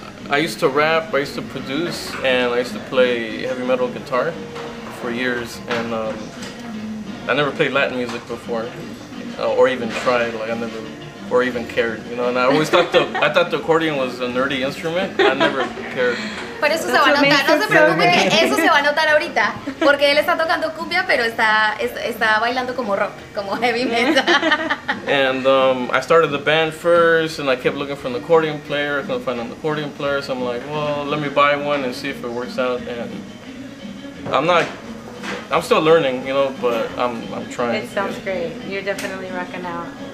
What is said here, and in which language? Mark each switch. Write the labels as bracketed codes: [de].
[en] I used to rap, I used to produce, and I used to play heavy metal guitar for years, and I never played Latin music before, or even tried, like I never, or even cared, you know, and I always thought the accordion was a nerdy instrument. I never cared. [es] Pero eso se va a notar, no se preocupe, eso se va a notar ahorita, porque él está tocando cumbia, pero está bailando como rock, como heavy metal. [en] And I started the band first, and I kept looking for an accordion player, I couldn't find an accordion player, so I'm like, well, let me buy one and see if it works out, and I'm still learning, you know, but I'm trying. It sounds great, you're definitely rocking out.